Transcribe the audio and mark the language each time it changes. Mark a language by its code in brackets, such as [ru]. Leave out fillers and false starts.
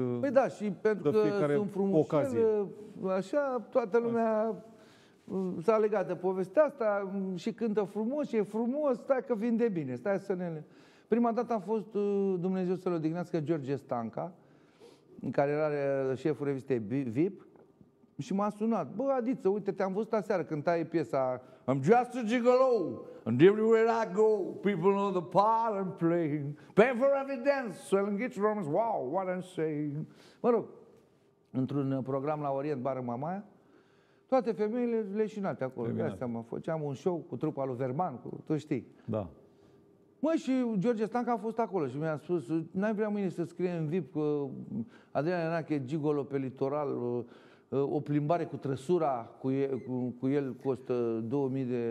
[ro] Păi da, și pentru că sunt frumos, așa, toată lumea s-a legat de povestea asta și cântă frumos și e frumos, stai că vinde bine, stai să ne... Prima dată a fost, Dumnezeu să-l odihnească, George Stanca, care era șeful revistei VIP, și m-a sunat. Bă, Adiță, uite, te-am văzut aseară când tai piesa [en] I'm just a gigolo, and everywhere I go, people know the part I'm playing, pay for every dance, so I'll get Romans, wow, what I'm saying. [ro] Mă rog, într-un program la Orient, bară Mamaia, toate femeile leșinate acolo. Făceam un show cu trupa lui Verban, tu știi. Da. Măi, și George Stanca a fost acolo și mi-a spus, n-ai vrea mâine să scrie în VIP că Adrian Enache e gigolo pe litoral, o plimbare cu trăsura cu el costă $2000?